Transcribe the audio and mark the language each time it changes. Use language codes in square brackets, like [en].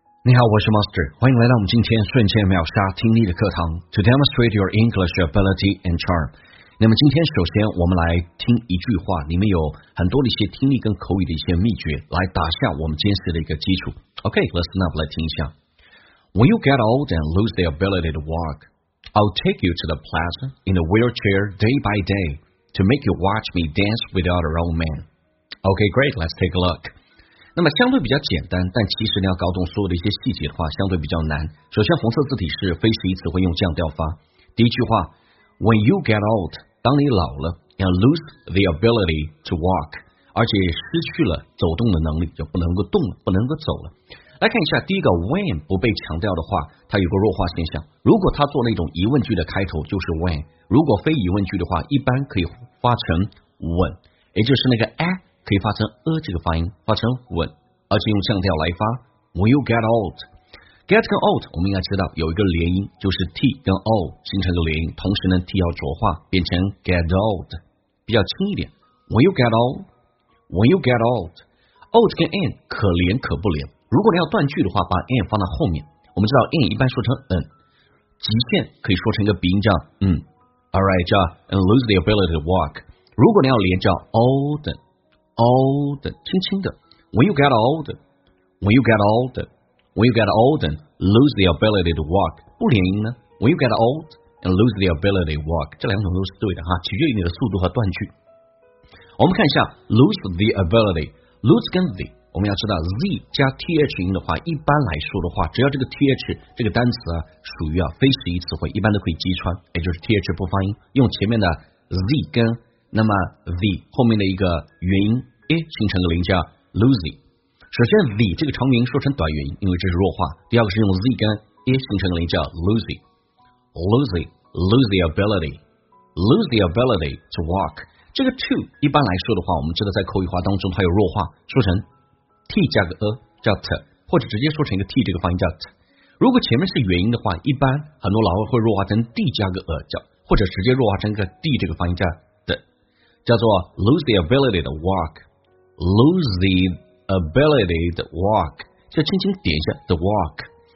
[zh] 你好，我是 Master， 欢迎来到我们今天瞬间秒杀听力的课堂 [en] To demonstrate your English ability and charm。 [zh] 那么今天首先我们来听一句话，里面有很多的一些听力跟口语的一些秘诀，来打下我们坚实的一个基础。 [en] OK, listen up, [zh] 来听一下。 [en] When you get old and lose the ability to walk, I'll take you to the plaza in a wheelchair day by day to make you watch me dance with the other old man. OK, great, let's take a look。 [zh] 那么相对比较简单，但其实你要搞懂所有的一些细节的话相对比较难。首先红色字体是非习词，会用降调发。第一句话， [en] When you get old， [zh] 当你老了， [en] and lose the ability to walk， [zh] 而且失去了走动的能力，就不能够动了，不能够走了。来看一下第一个 when 不被强调的话，它有个弱化现象。如果它做那种疑问句的开头，就是 when， 如果非疑问句的话，一般可以发成 when， 也就是那个 at可以发成这个发音，发成稳，而且用降调来发。 [en] When you get old， [zh] get 跟 old 我们应该知道有一个连音，就是 t 跟 o 形成的连音，同时呢 t 要浊化变成 get old， 比较轻一点。 [en] When you get old， when you get old， old [zh] 跟 n 可连可不连。如果你要断句的话，把 n 放到后面。我们知道 n 一般说成 n， 极限可以说成一个鼻音叫嗯 ，all right， 叫 [en] and lose the ability to walk。 [zh] 如果你要连叫 old。Old， 轻轻的。 [en] When you get old， when you get old， when you get old and lose the ability to walk， [zh] 不连音呢？ [en] When you get old and lose the ability to walk， [zh] 这两种都是对的哈，取决于你的速度和断句。我们看一下 lose the ability， lose 跟 the， 我们要知道 z 加 th 音的话，一般来说的话，只要这个 th 这个单词啊属于啊非实义词汇，一般都可以击穿，也就是 th 不发音，用前面的 z 跟。那么 the 后面的一个元音 a 形成个连叫 lose。首先 the 这个长元音说成短元音，因为这是弱化。第二个是用 z 跟 a 形成个连叫 [en] lose， lose， lose the ability， lose the ability to walk。 [zh] 这个 to 一般来说的话，我们知道在口语化当中它有弱化，说成 t 加个 a 叫 t， 或者直接说成一个 t 这个发音叫 t。如果前面是元音的话，一般很多老外会弱化成 d 加个 a 叫，或者直接弱化成个 d 这个发音叫，叫做 [en] lose the ability to walk， [zh] lose the ability to walk， 就轻轻点一下 the walk。